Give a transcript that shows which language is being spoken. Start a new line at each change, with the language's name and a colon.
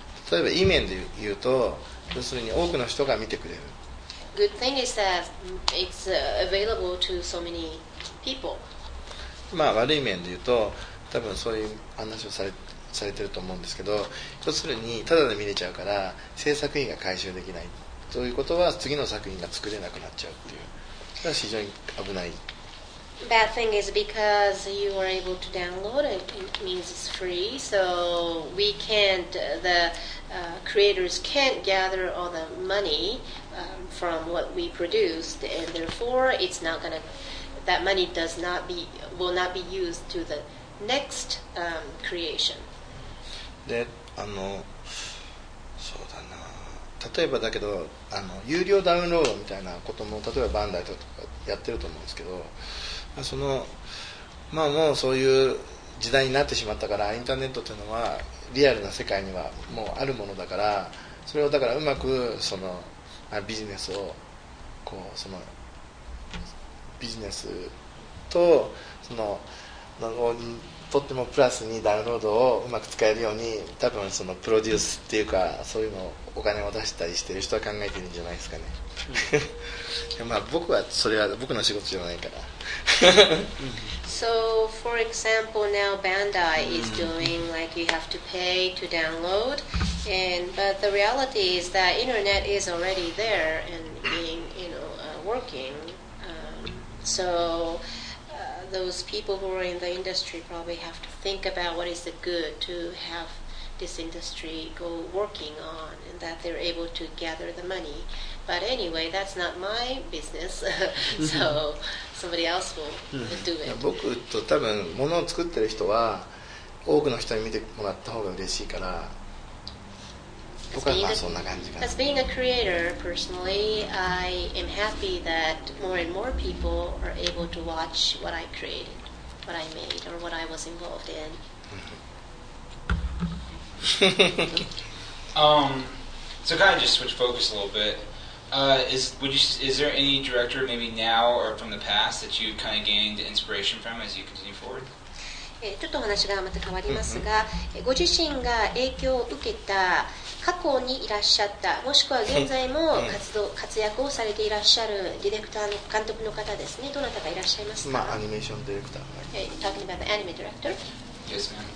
Japanese: 例えばいい面で言うと、要するに多くの人が見てくれる。
English: Good thing is that it's available to so many people.
Japanese: まあ悪い面で言うと、多分そういう話をされてると思うんですけど、要するにただで見れちゃうから制作費が回収できないということは次の作品が作れなくなっちゃうっていう。それは非常に危ない。
English: Bad thing is because you are able to download it, it means it's free, so we can't, the creators can't gather all the money from what we produced, and therefore it's not gonna, that money does not be, will not be used to the next creation.
Japanese: で、そうだな、例えばだけど、有料ダウンロードみたいなことも、例えばバンダイとかやってると思うんですけど、そのまあ、もうそういう時代になってしまったからインターネットというのはリアルな世界にはもうあるものだからそれをだからうまくその、まあ、ビジネスをこうそのビジネスとそのとってもプラスにダウンロードをうまく使えるように多分そのプロデュースっていうかそういうのをお金を出したりしてる人は考えてるんじゃないですかねまあ僕はそれは僕の仕事じゃないから
English: So, for example, now Bandai is doing like you have to pay to download, and but the reality is that internet is already there and being, you know, working. Those people who are in the industry probably have to think about what is the good to have this industry go working on, and that they're able to gather the money. But anyway, that's not my business. so somebody else will do it.
Japanese: 僕と多分物を作ってる人は多くの人に見てもらった方が嬉しいから。
English: As being a creator, personally, I am happy that more and more people are able to watch what I created, what I made, or what I was involved in. So kind of just switch focus a little bit. Is there any director maybe now or from the past that you kind of gained inspiration from as you continue forward?
Japanese: ちょっと話がまた変わりますが、mm-hmm. ご自身が影響を受けた過去にいらっしゃったもしくは現在も活動、活躍をされていらっしゃるディレクターの監督の方ですね、どなたかいらっしゃいますか。まあアニメーションディレクター、
English: talking about the anime director。 Yes ma'am。